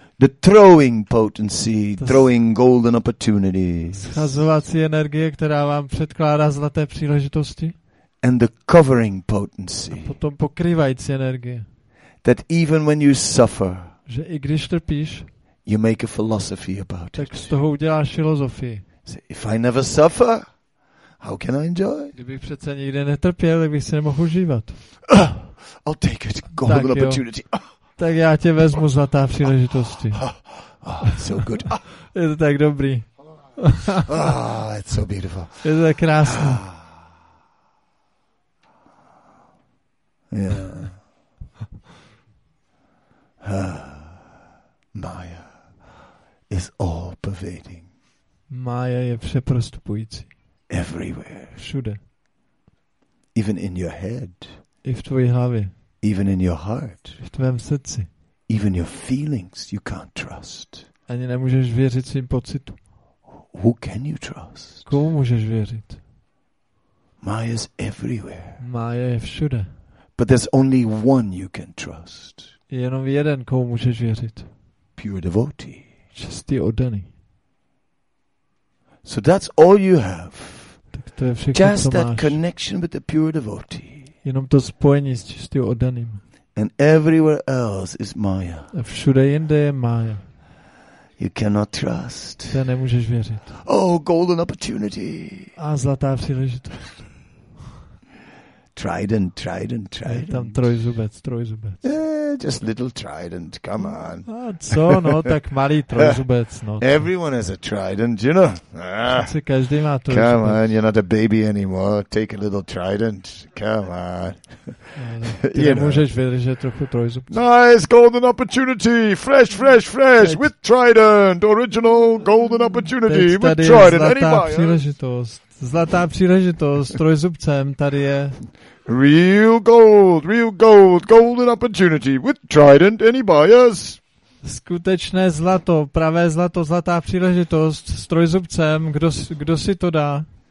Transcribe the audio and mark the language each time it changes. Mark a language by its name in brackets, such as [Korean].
[English] The throwing potency, throwing golden opportunities. [Czech] Schazovací energie, která vám předkládá zlaté příležitosti. [English] And the covering potency. [Czech] A potom pokrývající energie. [English] That even when you suffer, [Czech] že i když trpíš, [English] you make a philosophy about [Czech] it. Tak z toho uděláš filozofii. [English] If I never suffer, how can I enjoy? [Czech] Kdybych přece nikdy netrpěl, tak bych si nemohl užívat. [English] I'll take it. Golden [Czech] tak [English] opportunity. [Czech] Tak já tě vezmu za ta příležitosti. [English] So good. [Czech] Je to tak dobrý. [English] It's so beautiful. [Czech] Je to tak krásný. [English] Yeah. Maya is all pervading. [Czech] Maya je přeprostupující. [English] Everywhere. [Czech] Všude. [English] Even in your head. [Czech] I v tvojí hlavě. [English] Even in your heart. [Czech] V tvém srdci. [English] Even your feelings you can't trust. [Czech] Ani nemůžeš věřit svým pocitům. [English] Who can you trust? [Czech] Komu můžeš věřit? [English] Maya's everywhere. [Czech] Maya je všude. [English] But there's only one you can trust. [Czech] Jenom jeden, komu můžeš věřit. [English] Pure devotee. [Czech] Čistý oddaný. [English] So that's all you have. [Czech] Tak to je všechno, [English] just [Czech] co [English] that [Czech] máš. [English] Connection with the pure devotee. [Czech] Jenom to spojení s čistým oddaným. [English] And everywhere else is Maya. [Czech] A všude jinde je Maya. [English] You cannot trust. [Czech] Ty nemůžeš věřit. [English] Oh, golden opportunity. [Czech] A zlatá příležitost. [English] Trident. [Czech] Je tam trojzubec. [English] Yeah, just little trident, come on. [Czech] Co, no, tak malý trojzubec, no. [English] Everyone has a trident, you know. [Czech] Si každý má trojzubec. [English] Come on, you're not a baby anymore, take a little trident, come on. [Czech] Ty nemůžeš vydržet trochu trojzubce. [English] Nice, golden opportunity, fresh, teď. With trident, original golden opportunity, with trident, [Czech] zlatá [English] anybody. [Czech] Zlatá příležitost, trojzubcem tady je. [English] Real gold, golden opportunity, with trident, any buyers? [Czech] Skutečné zlato, pravé zlato, zlatá příležitost, s trojzubcem, kdo si to dá?